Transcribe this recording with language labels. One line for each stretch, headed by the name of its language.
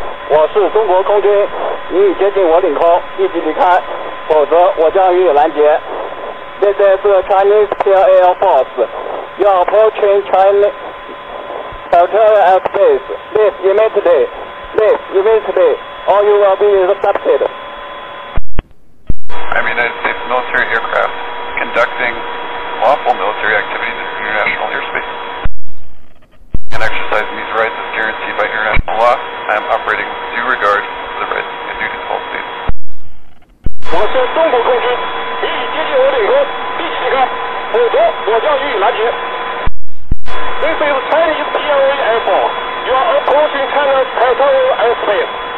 Chinese: 我是中国空军，你已接近我领空，立即离开，否则我将予以拦截。
English: This is Chinese Air Force. You are approaching Chinese territorial airspace. Leave immediately. Leave immediately. Or you will be intercepted. I'm United States military aircraft conducting lawful military activities in international airspace. And exercising these rights as guaranteed by international law, I am operating with due regard to the rights and duties of all states.
Chinese: 我是中国空军，你已接近我领空，立即离开，否则我将予以拦截。
English: This is Chinese PLA Air Force. You are approaching China's territorial airspace.